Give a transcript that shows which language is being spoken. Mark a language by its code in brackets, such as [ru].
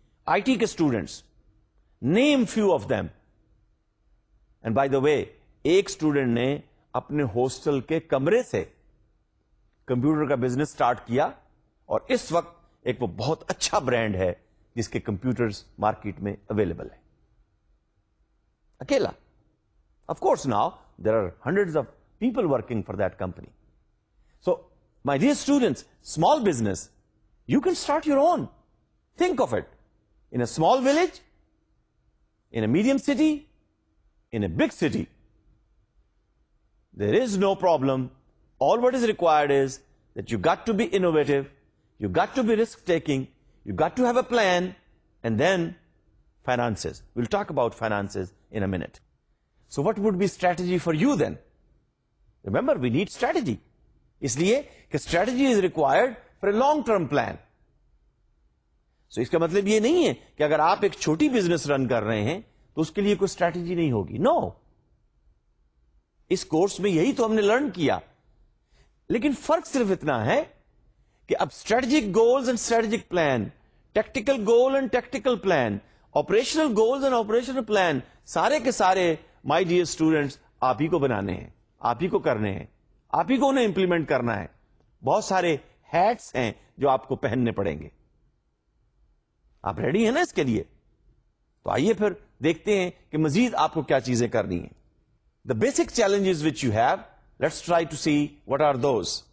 [ur] I T کے students, [en] name few of them, and by the way [ur] ایک student نے اپنے ہوسٹل کے کمرے سے کمپیوٹر کا بزنس اسٹارٹ کیا اور اس وقت ایک وہ بہت اچھا برانڈ ہے جس کے کمپیوٹرز مارکیٹ میں اویلیبل ہے اکیلا. [en] Of course, now there are hundreds of people working for that company. So, my dear students, small business, you can start your own. Think of it. In a small village, in a medium city, in a big city, there is no problem All what is required is that you got to be innovative, you got to be risk-taking, you got to have a plan, and then finances. We'll talk about finances in a minute. So what would be strategy for you then? Remember, we need strategy. [ur] اس لیے کہ [en] Strategy is required for a long term plan. [ur] سو اس کا مطلب یہ نہیں ہے کہ اگر آپ ایک چھوٹی بزنس رن کر رہے ہیں تو اس کے لیے کوئی اسٹریٹجی نہیں ہوگی. نو اس کورس میں یہی تو ہم نے لرن کیا, لیکن فرق صرف اتنا ہے کہ اب [en] strategic goals and strategic plan, tactical goal and tactical plan, operational goals and operational plan, [ur] سارے کے سارے [en] my dear students [ur] آپ ہی کو بنانے ہیں, آپ ہی کو کرنے ہیں, آپ ہی کو انہیں امپلیمنٹ کرنا ہے. بہت سارے ہیٹس ہیں جو آپ کو پہننے پڑیں گے. آپ ریڈی ہیں نا اس کے لیے؟ تو آئیے پھر دیکھتے ہیں کہ مزید آپ کو کیا چیزیں کرنی ہیں. [en] The basic challenges which you have, let's try to see what are those.